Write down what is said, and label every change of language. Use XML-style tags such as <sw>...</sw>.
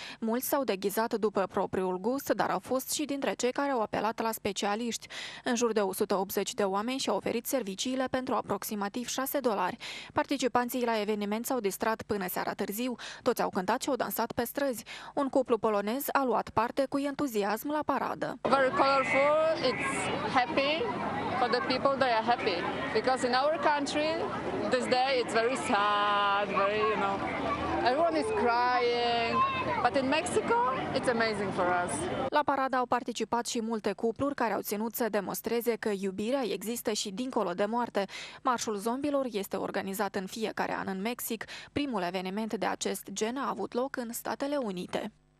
<ro>Mulți s-au deghizat după propriul gust, dar au fost și dintre cei care au apelat la specialiști. În jur de 180 de oameni și-au oferit serviciile pentru aproximativ 6 dolari. Participanții la eveniment s-au distrat până seara târziu, toți au cântat și au dansat pe străzi. Un cuplu polonez a luat parte cu entuziasm la paradă.</ro> <en>Very colorful. It's happy for the people, they are happy because in our country this day it's very sad, very, you know, everyone is crying, but in Mexico it's amazing for us.</en> <ro>La paradă au participat și multe cupluri care au ținut să demonstreze că iubirea există și dincolo de moarte. Marșul zombilor este organizat în fiecare an în Mexic. Primul eveniment de acest gen a avut loc în Statele Unite.</ro>